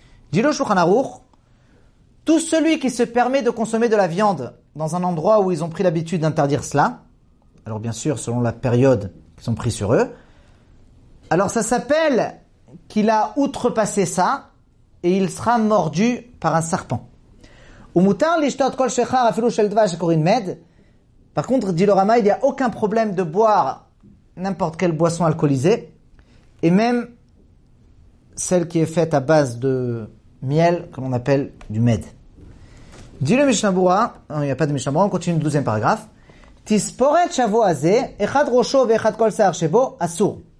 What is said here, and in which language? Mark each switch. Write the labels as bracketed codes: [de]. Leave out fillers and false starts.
[fr] Dit le Shulchan Aruch, tout celui qui se permet de consommer de la viande dans un endroit où ils ont pris l'habitude d'interdire cela, alors bien sûr, selon la période qu'ils ont pris sur eux, alors ça s'appelle qu'il a outrepassé ça et il sera mordu par un serpent. [he] ומותר לשתות כל שחר אפילו של דבש שקוראים מד. [fr] Par contre, dit le Rama, il n'y a aucun problème de boire n'importe quelle boisson alcoolisée, et même celle qui est faite à base de miel, que l'on appelle du med. Dit le Mishnah Berurah, il n'y a pas de Mishnah Berurah, on continue le deuxième paragraphe. [he] Tisporet shavo azé, echad rosho ve echad kol sear shebo, asur.